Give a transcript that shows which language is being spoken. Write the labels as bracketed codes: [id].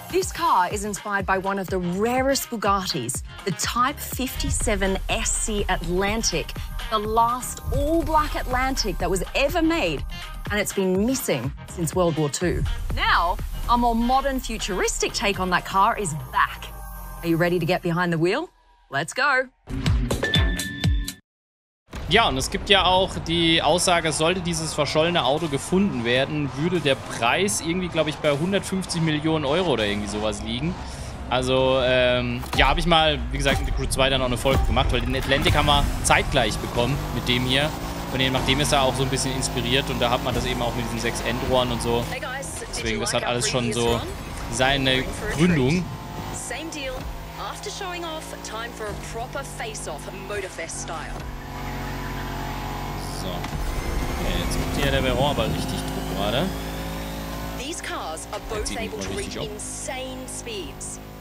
[en] This car is inspired by one of the rarest Bugattis, the Type 57 SC Atlantic, the last all-black Atlantic that was ever made, and it's been missing since World War II. Now, a more modern futuristic take on that car is back. Are you ready to get behind the wheel? Let's go. [de] Ja, und es gibt ja auch die Aussage, sollte dieses verschollene Auto gefunden werden, würde der Preis irgendwie, glaube ich, bei 150 Millionen Euro oder irgendwie sowas liegen. Also, ja, habe ich mal, wie gesagt, in The Crew 2 dann auch eine Folge gemacht, weil den Atlantic haben wir zeitgleich bekommen mit dem hier. Und je nachdem ist er auch so ein bisschen inspiriert und da hat man das eben auch mit diesen 6 Endrohren und so. Deswegen, das hat alles schon so seine Gründung. [en] Same deal. After showing off, time for a proper face-off, Motorfest style. [de] So. Okay, jetzt gibt hier der Veyron aber richtig Druck gerade. [en] These cars are both able to reach insane speeds.